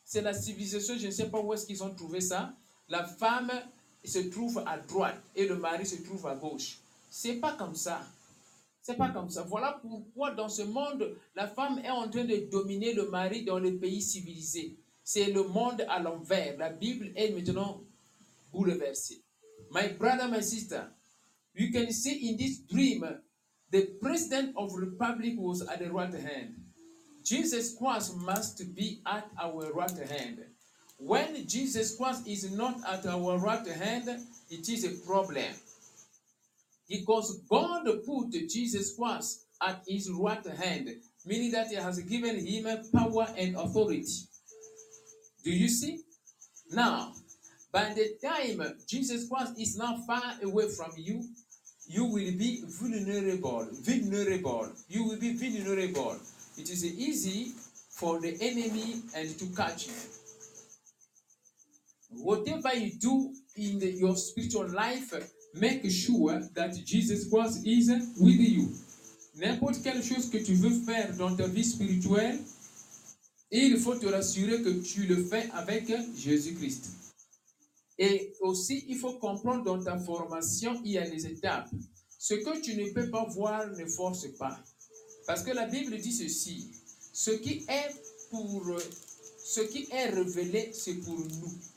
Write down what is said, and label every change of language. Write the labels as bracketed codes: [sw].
[fr] C'est la civilisation, je ne sais pas où est-ce qu'ils ont trouvé ça. La femme se trouve à droite et le mari se trouve à gauche. C'est pas comme ça. C'est pas comme ça. Voilà pourquoi dans ce monde, la femme est en train de dominer le mari dans les pays civilisés. C'est le monde à l'envers. La Bible est maintenant bouleversée. [en] My brother, my sister, you can see in this dream, the president of the republic was at the right hand. Jesus Christ must be at our right hand. When Jesus Christ is not at our right hand, it is a problem. Because God put Jesus Christ at his right hand, meaning that he has given him power and authority. Do you see? Now, by the time Jesus Christ is now far away from you, you will be vulnerable, vulnerable. You will be vulnerable. It is easy for the enemy and to catch you. Whatever you do in your spiritual life, make sure that Jesus Christ is with you. [fr] N'importe quelle chose que tu veux faire dans ta vie spirituelle, il faut te rassurer que tu le fais avec Jésus-Christ. Et aussi, il faut comprendre dans ta formation, il y a des étapes. Ce que tu ne peux pas voir, ne force pas. Parce que la Bible dit ceci, ce qui est révélé, c'est pour nous.